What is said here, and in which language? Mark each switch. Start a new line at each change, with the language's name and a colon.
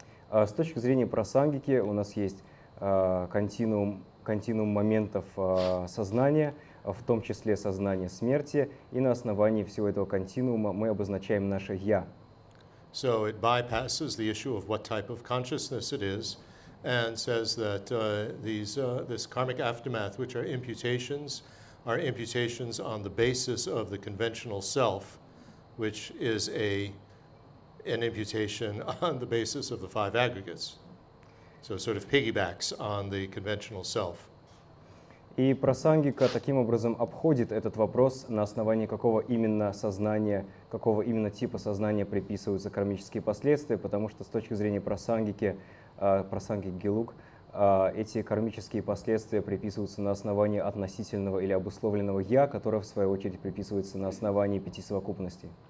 Russian: С точки зрения Прасангики у нас есть континуум моментов сознания, в том числе сознание смерти, и на основании всего этого континуума мы обозначаем наше «я».
English: So it bypasses the issue of what type of consciousness it is and says that this karmic aftermath, which are imputations on the basis of the conventional self, which is an imputation on the basis of the five aggregates. So it sort of piggybacks on the conventional self.
Russian: И Прасангика таким образом обходит этот вопрос, на основании какого именно сознания, какого именно типа сознания приписываются кармические последствия, потому что с точки зрения Прасангики, Прасангик-Гелук, эти кармические последствия приписываются на основании относительного или обусловленного «я», которое, в свою очередь, приписывается на основании пяти совокупностей.